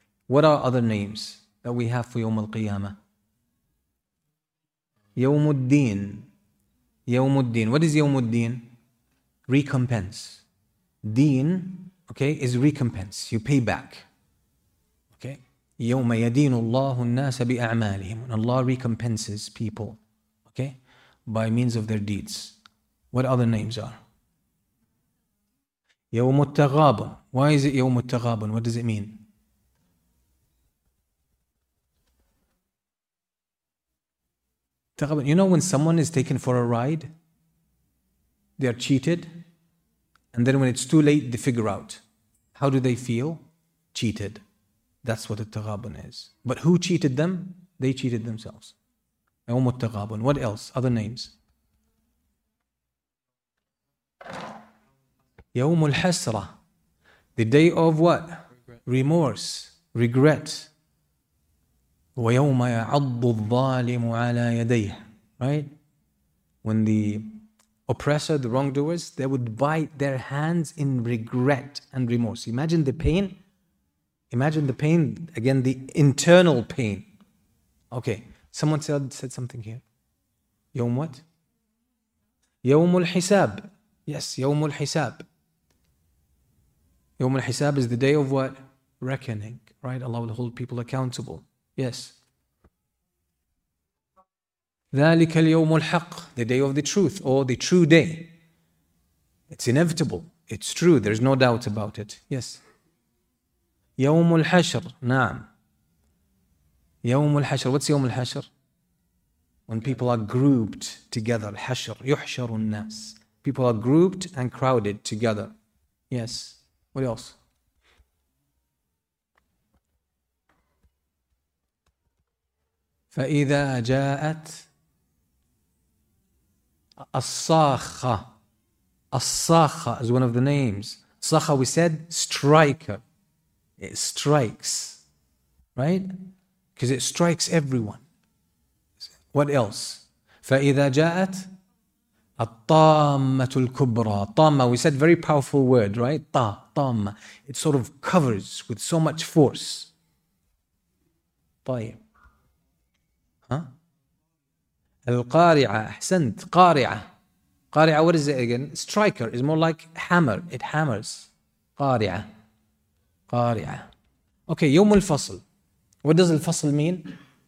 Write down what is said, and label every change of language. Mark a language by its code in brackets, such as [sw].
[en] What are other names that we have for [ar] يوم القيامة? يوم الدين. يوم الدين. [en] What is [ar] يوم الدين? [en] Recompense. دين, okay, is recompense. You pay back. Okay. [ar] يوم يدين الله الناس بأعمالهم. [en] And Allah recompenses people, okay, by means of their deeds. What other names are? [ar] يوم التغابن. [en] Why is it [ar] يوم التغابن? [en] What does it mean? تغابن. You know when someone is taken for a ride, they are cheated, and then when it's too late, they figure out. How do they feel? Cheated. That's what التغابن is. But who cheated them? They cheated themselves. [ar] يوم التغابن. [en] What else? Other names. [ar] يوم الحسرة, [en] the day of what? Remorse, regret. [ar] ويوم يعض الظالم على يديه, [en] right? When the oppressor, the wrongdoers, they would bite their hands in regret and remorse. Imagine the pain. Imagine the pain, again, the internal pain. Okay, someone said something here. [ar] يوم [en] what? [ar] يوم الحساب. Yes, يوم الحساب. [en] يوم الحساب is the day of what? Reckoning, right? Allah will hold people accountable. Yes. [ar] ذلك اليوم الحق, [en] the day of the truth, or the true day. It's inevitable. It's true. There's no doubt about it. Yes. [ar] يوم الحشر, نعم. يوم الحشر, [en] what's [ar] يوم الحشر? [en] When people are grouped together, [ar] الحشر, يحشر الناس. [en] People are grouped and crowded together. Yes. What else? [ar] فإذا جاءت الصاخة. [en] الصاخة is one of the names. صاخة, we said striker. It strikes, right? Because it strikes everyone. What else? [ar] فإذا جاءت الطامة الكبرى. [en] طامة, we said very powerful word, right? [ar] طامة. [en] It sort of covers with so much force. [ar] طيب. [en] Huh? [ar] القارعة أحسنت قارعة قارعة [en] what is it again striker is more like hammer it hammers قارعة قارعة okay [ar] يوم الفصل [en] what does الفصل mean